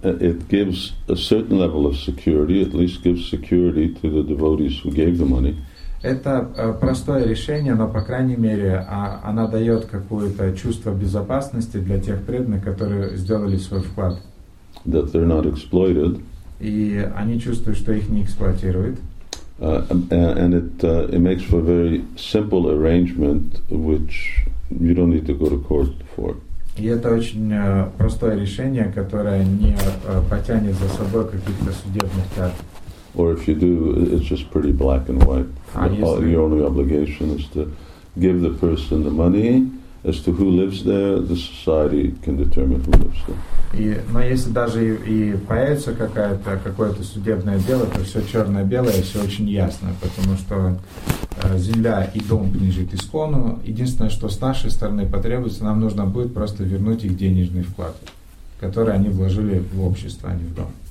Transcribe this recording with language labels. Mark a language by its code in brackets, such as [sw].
[en] It gives a certain level of security, at least gives security to the devotees who gave the money. [ru] Это простое решение, но, по крайней мере, она дает какое-то чувство безопасности для тех преданных, которые сделали свой вклад. [en] That they're not exploited. [ru] И они чувствуют, что их не эксплуатируют. [en] And it makes for a very simple arrangement, which you don't need to go to court for. [ru] И это очень простое решение, которое не потянет за собой каких-то судебных тяжб. [en] Or if you do, it's just pretty black and white. Your only obligation is to give the person the money as to who lives there, the society can determine who lives there. [ru] И, но если даже и появится какая-то какое-то судебное дело, то все черно-белое, все очень ясно, потому что земля и дом принадлежит Искону. Единственное, что с нашей стороны потребуется, нам нужно будет просто вернуть их денежный вклад, который они вложили в общество, а не в дом.